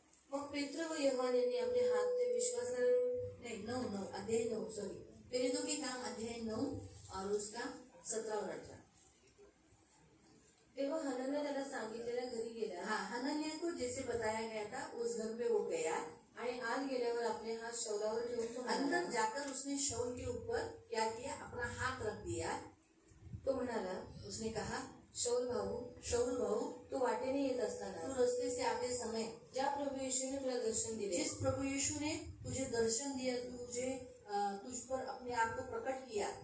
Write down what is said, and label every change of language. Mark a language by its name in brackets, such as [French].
[Marathi] मग पेत्र व यहोवाने आपले हात ते विश्वासाने नाही नऊ नऊ अध्याय नऊ [Hindi] सॉरी पेरितो के काम अध्याय नऊ और उसका 17 और 18. [Marathi] तेव्हा हनन्या त्याला सांगितलेल्या घरी गेला. [Hindi] हा हनन्या को जैसे बताया गया था उस घर पे वो गया [Marathi] आणि आज गेल्यावर आपले हात शौलावर ठेवून तो [Hindi] अंदर जाकर उसने शौल के ऊपर क्या किया अपना हाथ रख दिया. [Marathi] तो म्हणाला [Hindi] उसने कहा शौल [Marathi] भाऊ तू वाटेने येत असताना [Hindi] तू रस्ते से आते समय [Marathi] ज्या प्रभू येशू ने तुला दर्शन दिले [Hindi] जिस प्रभू येशू ने तुझे दर्शन दिया तुझे तुझ पर अपने आप को प्रकट किया